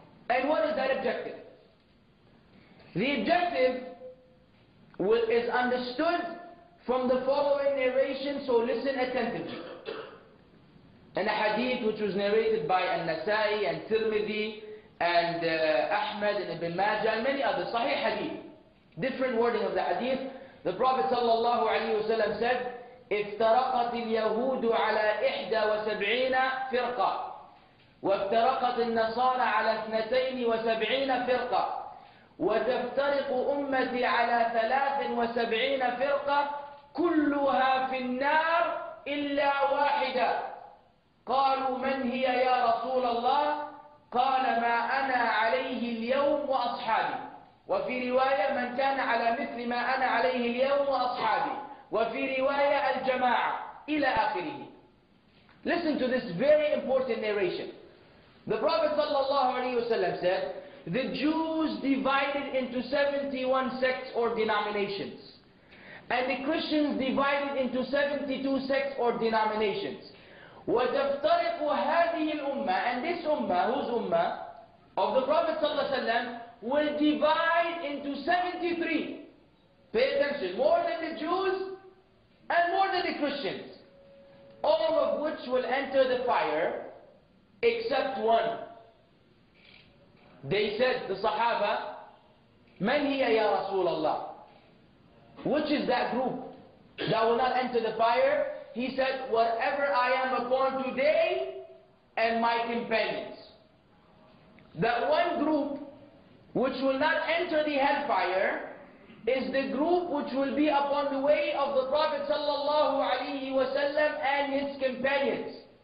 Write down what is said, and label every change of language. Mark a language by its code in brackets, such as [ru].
[en] And what is that objective? The objective is understood from the following narration, so listen attentively. In a hadith which was narrated by An-Nasa'i and Tirmidhi, and Ahmad and Ibn Majah and many others, Sahih Hadith. Different wording of the Hadith. The Prophet sallallahu alaihi wasallam said, [ar] "افترقت اليهود على 71 فرقة، وافترقت النصارى على 72 فرقة، وتفترق أمتي على 73 فرقة، كلها في النار إلا واحدة. قالوا من هي يا رسول الله؟" قال ما أنا عليه اليوم وأصحابي وفي رواية من كان على مثل ما أنا عليه اليوم وأصحابي وفي رواية الجماعة إلى آخره. [en] Listen to this very important narration. The Prophet [ar] صلى الله عليه وسلم [en] said, the Jews divided into 71 sects or denominations, and the Christians divided into 72 sects or denominations. [ar] وتفترق هذه الأمة, [en] and this Ummah, whose Ummah? Of the Prophet [ar] صلى الله عليه وسلم, [en] will divide into 73. Pay attention, more than the Jews and more than the Christians. All of which will enter the fire except one. They said, the Sahaba, [ar] من هي يا رسول الله? [en] Which is that group that will not enter the fire? He said, whatever I am upon today and my companions. That one group which will not enter the hellfire is the group which will be upon the way of the Prophet sallallahu alaihi wasallam and his companions.